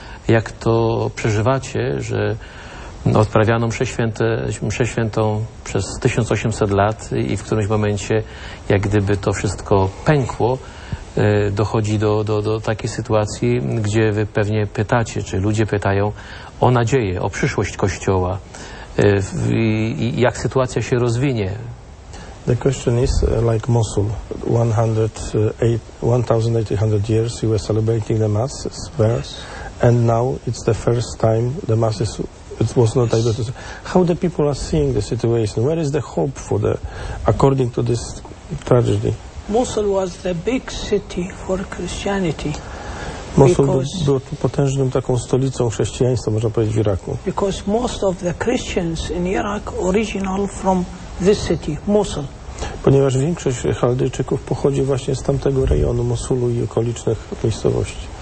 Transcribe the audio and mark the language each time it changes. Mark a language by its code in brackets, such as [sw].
[pl] Jak to przeżywacie, że odprawiano mszę świętą przez 1800 lat i w którymś momencie jak gdyby to wszystko pękło, dochodzi do takiej sytuacji, gdzie wy pewnie pytacie, czy ludzie pytają o nadzieję, o przyszłość Kościoła i jak sytuacja się rozwinie. [en] The question is like Mosul. 1800 years you were celebrating the masses there, yes. And now it's the first time the masses, it was not able to. How the people are seeing the situation? Where is the hope for the, according to this tragedy? Mosul was the big city for Christianity. [pl] Mosul był potężnym taką stolicą chrześcijaństwa, można powiedzieć, w Iraku. [en] Because most of the Christians in Iraq original from this city, Mosul. [pl] ponieważ większość Chaldejczyków pochodzi właśnie z tamtego rejonu Mosulu i okolicznych miejscowości.